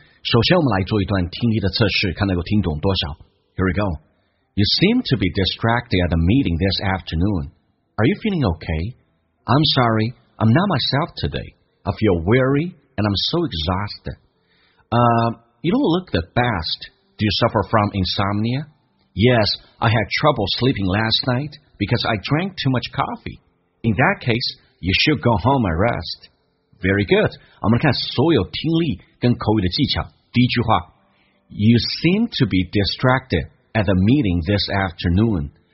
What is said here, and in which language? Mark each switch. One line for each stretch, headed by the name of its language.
Chinese: 首先我们来做一段听力的测试，看能够听懂多少。
English: Here we go. You seem to be distracted at the meeting this afternoon. Are you feeling okay? I'm sorry, I'm not myself today. I feel weary and I'm so exhausted. You don't look the best. Do you suffer from insomnia? Yes, I had trouble sleeping last night because I drank too much coffee. In that case, you should go home and rest. Very good.
Chinese: 我们来看所有听力跟口语的技巧。第一句话
English: ，You seem to be distracted at the meeting this afternoon.